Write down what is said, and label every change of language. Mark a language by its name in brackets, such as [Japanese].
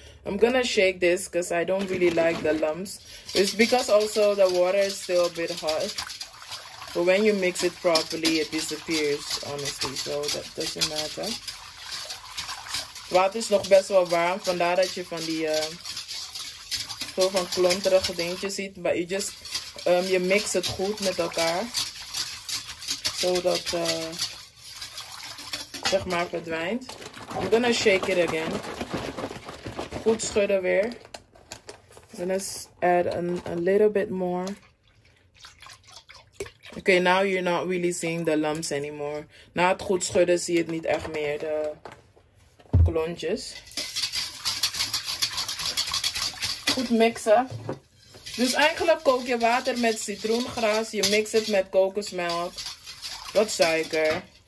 [English] I'm gonna shake this because I don't really like the lumps. It's because also the water is still a bit hot. But when you mix it properly, it disappears, honestly. So that doesn't matter. [Dutch] Het water is nog best wel warm. Vandaar dat je van die soort van klonterige dingetjes ziet. [English] But you just [Dutch] je mix het goed met elkaar. Zodat zeg maar verdwijnt. [English] I'm gonna shake it again. [Dutch] Goed schudden weer. [English] I'm gonna add a little bit more. Okay, now you're not really seeing the lumps anymore. [Dutch] Na het goed schudden zie je het niet echt meer, de klontjes. Goed mixen. Dus eigenlijk kook je water met citroengras. Je mix het met kokosmelk. Wat suiker.